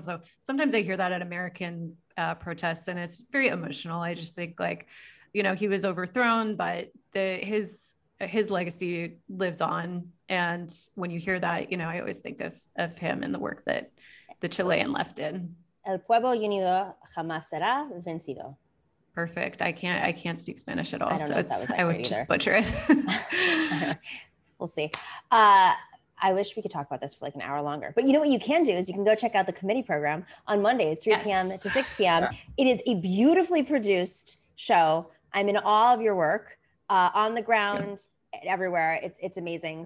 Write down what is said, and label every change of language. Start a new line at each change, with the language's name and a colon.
English: So sometimes I hear that at American protests and it's very emotional. I just think like, you know, he was overthrown, but his legacy lives on. And when you hear that, you know, I always think of him and the work that the Chilean left did.
Spanish: El pueblo unido jamás será vencido.
English: Perfect. I can't speak Spanish at all. I would just butcher it. We'll see. I wish we could talk about this for like an hour longer, but you know what you can do is you can go check out the committee program on Mondays, 3 p.m. to 6 p.m. Yeah. It is a beautifully produced show. I'm in awe of your work on the ground, everywhere. It's amazing.